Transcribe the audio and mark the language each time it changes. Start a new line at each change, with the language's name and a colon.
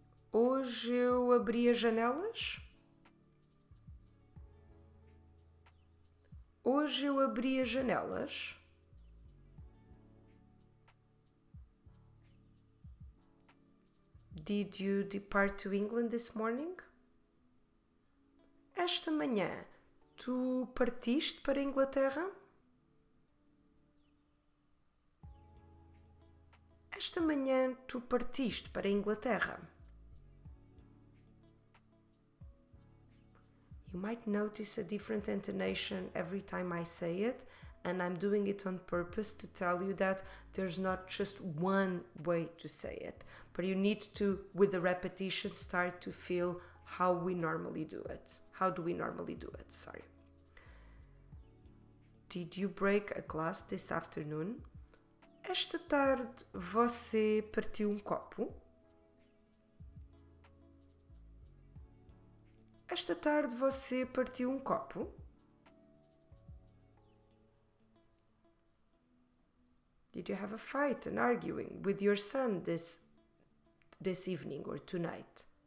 Portuguese: Hoje eu abri as janelas. Hoje eu abri as janelas.
English: Did you depart to England this morning?
Portuguese: Esta manhã, tu partiste para a Inglaterra? Esta manhã, tu partiste para a Inglaterra?
English: You might notice a different intonation every time I say it, and I'm doing it on purpose to tell you that there's not just one way to say it, but you need to, with the repetition, start to feel how we normally do it. How do we normally do it? Sorry. Did you break a glass this afternoon?
Portuguese: Esta tarde você partiu copo? Esta tarde você partiu copo?
English: Did you have a fight and arguing with your son this evening or tonight?